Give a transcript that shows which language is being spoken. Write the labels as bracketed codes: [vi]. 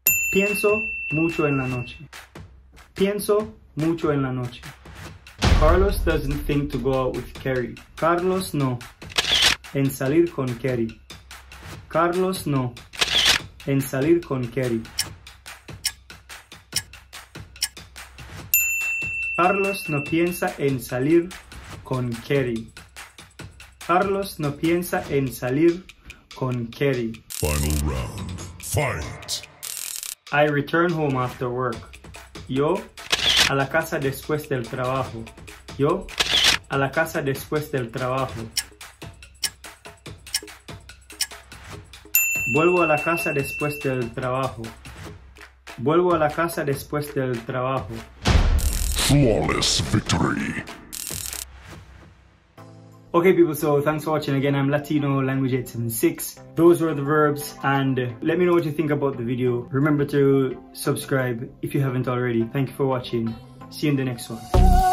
[es] Pienso mucho en la noche. Pienso mucho en la noche. [en] Carlos doesn't think to go out with Kerry. [es] Carlos no. En salir con Kerry. Carlos no. En salir con Kerry. Carlos no piensa en salir con Kerry. Carlos no piensa en salir con Kerry. [en] Final round. Fight. I return home after work. [es] Yo a la casa después del trabajo. Yo a la casa después del trabajo. Vuelvo a la casa después del trabajo. Vuelvo a la casa después del trabajo. [en] Flawless victory. Okay, people, so thanks for watching again. I'm Latino Language 876. Those were the verbs, and let me know what you think about the video. Remember to subscribe if you haven't already. Thank you for watching. See you in the next one.